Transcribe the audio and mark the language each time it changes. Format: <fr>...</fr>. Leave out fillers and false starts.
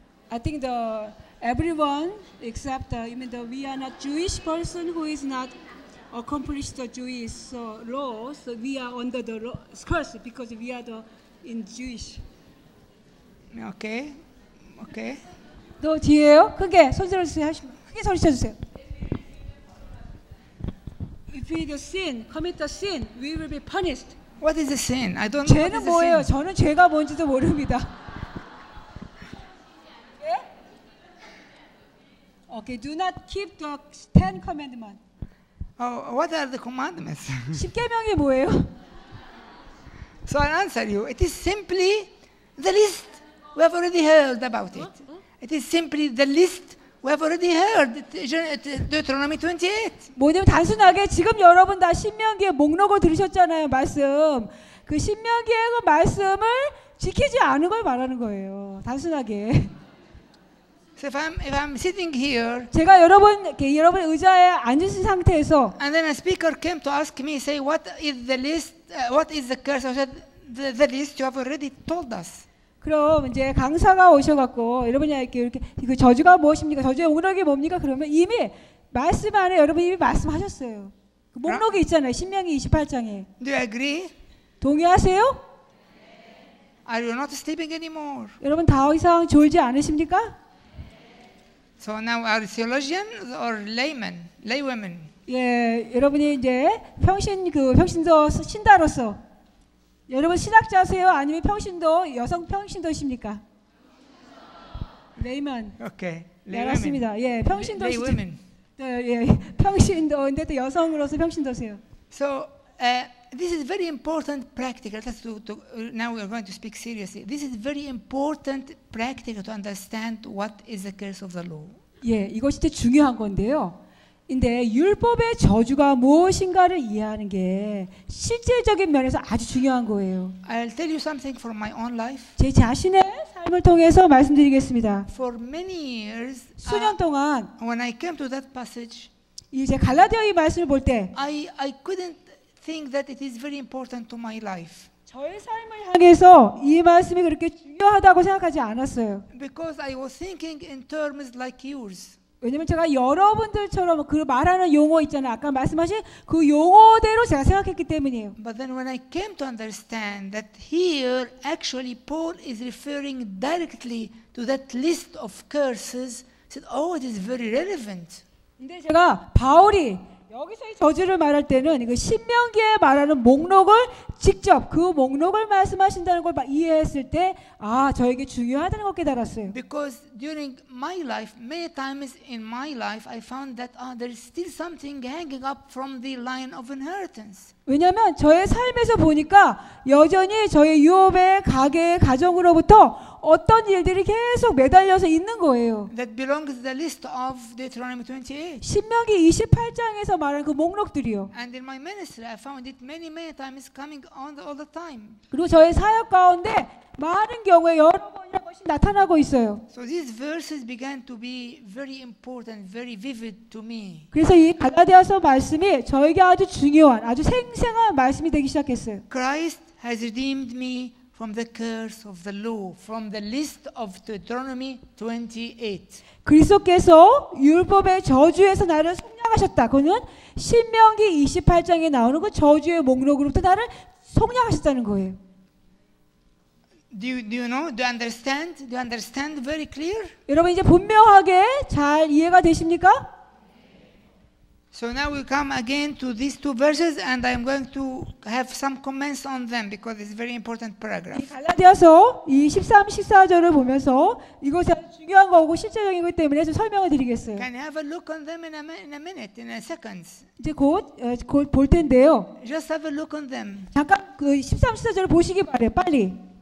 <en>아, I think the everyone except you mean the we are not Jewish person who is not accomplished the Jewish law, so we are under the law, curse because we are the in Jewish. Okay. Okay.</en> <ko>너 뒤에요? 크게 소리를 하시고 크게 소리쳐 주세요.</ko> <en>If we do sin, commit the sin, we will be punished. What is the sin? I don't know.</en> <ko>죄는 뭐예요? 저는 죄가 뭔지도 모릅니다. 예?</ko> <en>Okay, do not keep the Ten Commandments. What are the commandments?</en> <ko>십계명이 뭐예요?</ko> <en>So I answer you. It is simply the list we have already heard about it. It is simply the list. We have already heard Deuteronomy 28.</en> <ko>뭐냐면 단순하게 지금 여러분 다 신명기의 목록을 들으셨잖아요, 말씀. 그 신명기의 그 말씀을 지키지 않은 걸 말하는 거예요, 단순하게.</ko> <en>So if I'm sitting here,</en> <ko>제가 여러분 여러분의 의자에 앉으신 상태에서,</ko> <en>and then a speaker came to ask me, say, what is the list? What is the curse? I said, the list you have already told us.</en> <ko>그럼 이제 강사가 오셔갖고 여러분이 이렇게 그 저주가 무엇입니까? 저주의 목록이 뭡니까? 그러면 이미 말씀 안에 여러분 이미 말씀하셨어요. 그 목록이 있잖아요. 신명기 28장에.</ko> <en>Do you agree?</en> <ko>동의하세요?</ko> <en>Are you not sleeping anymore?</en> <ko>여러분 더 이상 졸지 않으십니까?</ko> <en>So now are you theologians or laymen, laywomen?</en> <ko>예, 여러분이 이제 평신 그 평신도 신다로서. 여러분 신학자세요? 아니면 평신도 여성 평신도십니까?</ko> <en>레이먼. 오케이.</en> <ko>네, 맞습니다. 예, 평신도.</ko> <en>레이먼.</en> <ko>네, 예, 평신도인데 또 여성으로서 평신도세요.</ko> <en>So this is very important practical. Let's do now. We are going to speak seriously. This is very important practical to understand what is the curse of the law.</en> <ko>예, 이것이 되게 중요한 건데요. 근데 율법의 저주가 무엇인가를 이해하는 게 실제적인 면에서 아주 중요한 거예요.</ko> <en>I'll tell you something from my own life.</en> <ko>제 자신의 삶을 통해서 말씀드리겠습니다.</ko> <en>For many years,</en> <ko>수년 동안</ko> <en>when I came to that passage,</en> <ko>이제 갈라디아의 말씀을 볼 때</ko> <en>I couldn't think that it is very important to my life.</en> <ko>저의 삶을 향해서 이 말씀이 그렇게 중요하다고 생각하지 않았어요.</ko> <en>Because I was thinking in terms like yours.</en> <ko>왜냐면 제가 여러분들처럼 그 말하는 용어 있잖아요. 아까 말씀하신 그 용어대로 제가 생각했기 때문이에요.</ko> <en>But then when I came to understand that here actually Paul is referring directly to that list of curses, I said, oh, it is very relevant.</en> <ko>근데 제가 바울이 여기서의 저주를 말할 때는 그 신명기에 말하는 목록을 직접 그 목록을 말씀하신다는 걸 이해했을 때 아, 저에게 중요하다는 걸 깨달았어요.</ko> <en>Because during my life, many times in my life, I found that there is still something hanging up from the line of inheritance.</en> <ko>왜냐하면 저의 삶에서 보니까 여전히 저의 유업의 가계의 가정으로부터 어떤 일들이 계속 매달려서 있는 거예요.</ko> <en>That belongs to the list of Deuteronomy 28.</en> <ko>신명기 28장에서 말한 그 목록들이요.</ko> <en>And in my ministry, I found it many, many times coming on all the time.</en> <ko>그리고 저의 사역 가운데 많은 경우에 여러 번이나 것이 나타나고 있어요.</ko> <en>So these verses began to be very important, very vivid to me.</en> <ko>그래서 이 갈라디아서 말씀이 저에게 아주 중요한, 아주 생생한 말씀이 되기 시작했어요.</ko> <en>Christ has redeemed me. From the curse of the law, from the list of Deuteronomy 28.</en> <ko>그리스도께서 율법의 저주에서 나를 속량하셨다. 그는 신명기 28장에 나오는 그 저주의 목록으로부터 나를 속량하셨다는 거예요.</ko> <en>Do you know? Do you understand? Do you understand very clear?</en> <ko>여러분 이제 분명하게 잘 이해가 되십니까?</ko> <en>So now we come again to these two verses, and I'm going to have some comments on them because it's a very important paragraph.</en> <ko>갈라디아서 이 13, 14절을 보면서 이것이 중요한 거고 실제적인 것 때문에 좀 설명을 드리겠어요.</ko> <en>Can have a look on them in a minute, in a seconds.</en> <ko>이제 곧 볼 텐데요.</ko> <en>Just have a look on them.</en> <ko>잠깐 그 13, 14절을 보시기 바래요, 빨리.</ko>